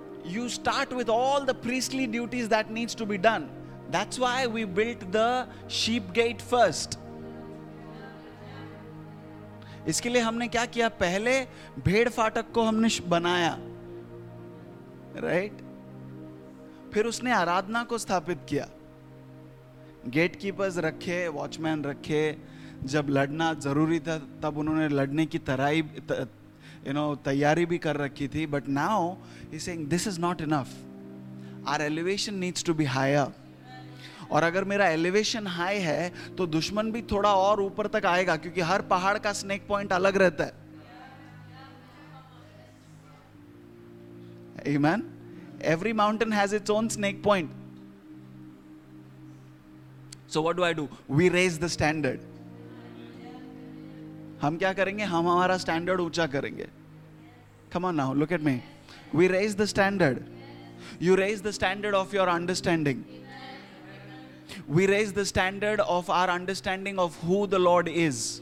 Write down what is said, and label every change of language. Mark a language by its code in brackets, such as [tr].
[en] You start with all the priestly duties that needs to be done. That's why we built the sheep gate first. [hi] इसके लिए हमने क्या किया? पहले भेड़ फाटक को हमने बनाया, right? फिर उसने आराधना को स्थापित किया. Gatekeepers रखे, watchmen रखे. जब लड़ना जरूरी था तब उन्होंने लड़ने की तैयारी भी कर रखी थी. [en] But now he's saying this is not enough. Our elevation needs to be higher. [hi] और अगर मेरा एलिवेशन हाई है तो दुश्मन भी थोड़ा और ऊपर तक आएगा, क्योंकि हर पहाड़ का स्नेक पॉइंट अलग रहता है. [en] आमीन. Every mountain has its own snake point. So what do I do? We raise the standard. [hi] हम क्या करेंगे? हम हमारा स्टैंडर्ड ऊंचा करेंगे. [en] Come on now, look at me. We raise the standard. You raise the standard of your understanding. We raise the standard of our understanding of who the Lord is.